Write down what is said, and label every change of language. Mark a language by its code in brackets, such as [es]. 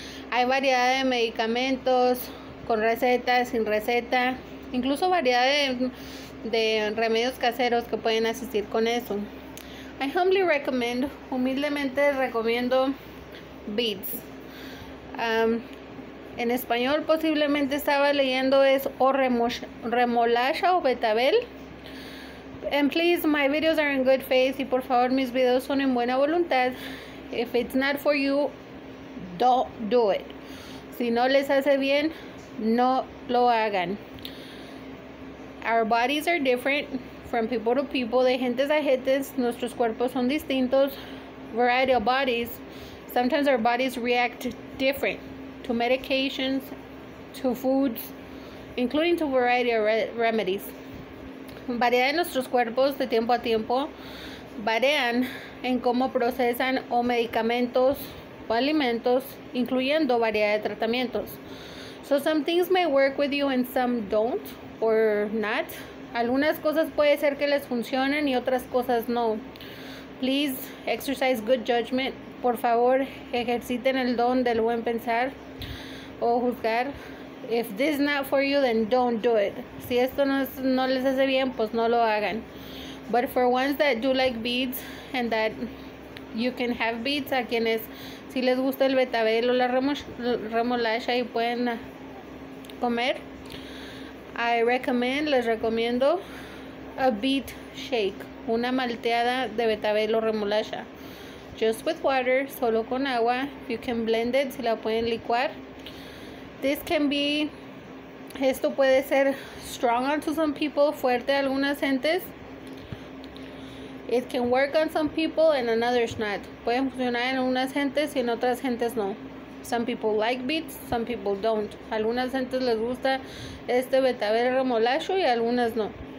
[es] Hay variedad de medicamentos con receta, sin receta, incluso variedad de remedios caseros que pueden asistir con eso. [en] I humbly recommend, [es] humildemente recomiendo, [en] beads. [es] En español posiblemente estaba leyendo es o remolacha o betabel. [en] And please, my videos are in good faith. [es] Y por favor, mis videos son en buena voluntad. [en] If it's not for you, don't do it. [es] Si no les hace bien, no lo hagan. [en] Our bodies are different from people to people. [es] De gentes a gentes, nuestros cuerpos son distintos. [en] Variety of bodies. Sometimes our bodies react different to medications, to foods, including to variety of remedies. [es] Variedad de nuestros cuerpos de tiempo a tiempo varían en cómo procesan o medicamentos o alimentos, incluyendo variedad de tratamientos. [en] So some things may work with you and some don't or not. [es] Algunas cosas puede ser que les funcionen y otras cosas no. [en] Please exercise good judgment. [es] Por favor, ejerciten el don del buen pensar o juzgar. [en] If this is not for you, then don't do it. [es] Si esto no les hace bien, pues no lo hagan. [en] But for ones that do like beads and that you can have beads, [es] a quienes si les gusta el betabel o la remolacha y pueden comer, [en] I recommend, [es] les recomiendo, [en] a beet shake, [es] una malteada de betabel o remolacha. [en] Just with water, [es] solo con agua. [en] You can blend it, [es] si la pueden licuar. [en] This can be, [es] esto puede ser [en] strong onto some people, [es] fuerte a algunas gentes. [en] It can work on some people and on others not. [es] Puede funcionar en unas gentes y en otras gentes no. [en] Some people like beets, some people don't. [es] Algunas gentes les gusta este betabel remolacho y algunas no.